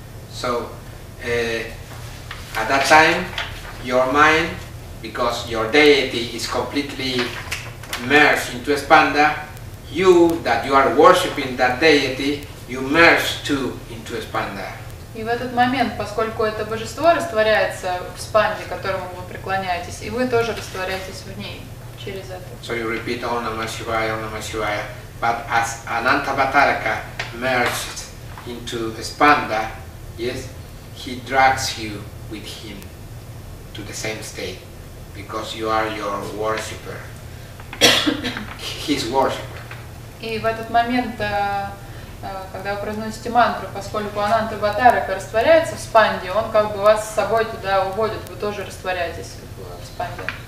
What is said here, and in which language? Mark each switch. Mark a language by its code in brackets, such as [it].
[en] So, at that time, your mind, because your deity is completely merged into Spanda, you, that you are worshipping that deity, you merge too into Spanda. [ru] И в этот момент, поскольку это божество растворяется в Спанде, которому вы преклоняетесь, и вы тоже растворяетесь в ней через это. [en] So you repeat Om Namah Shivaya, Om Namah Shivaya, but as Anantavataraka merged into Spanda, yes, he drags you with him to the same state because you are your worshipper, his worshipper. [ru] И в этот момент, когда вы произносите мантру, поскольку Ананта Аватарака растворяется в Спанде, он как бы вас с собой туда уводит, вы тоже растворяетесь в Спанде.